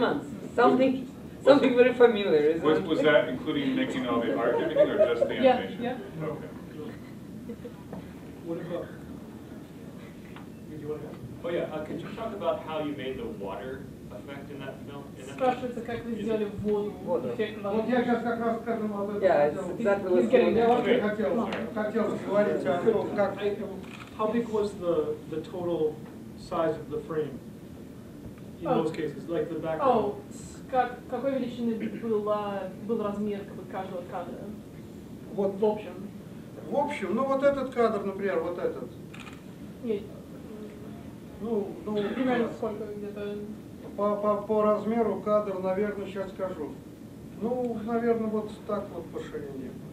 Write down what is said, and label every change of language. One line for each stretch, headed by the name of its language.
English: 9 months. Something very familiar, isn't it? Was that including making all the art or just the animation? Yeah. Okay. What about? Oh yeah, could you talk about how you made the water effect in that film?
Russian: Спрашивается, как вы сделали воду? Вот я сейчас как раз скажу об этом.
English: Yeah, exactly. He's getting there.
Russian: Хотелось говорить.
English: How big was the total size of the frame in those cases, like the background?
Russian: Oh, какой величины был размер каждого кадра? Вот в общем. В общем, ну вот этот кадр, например, вот этот. Нет. Ну, примерно сколько где-то? По размеру кадр, наверное, сейчас скажу. Ну, наверное, вот так вот по ширине.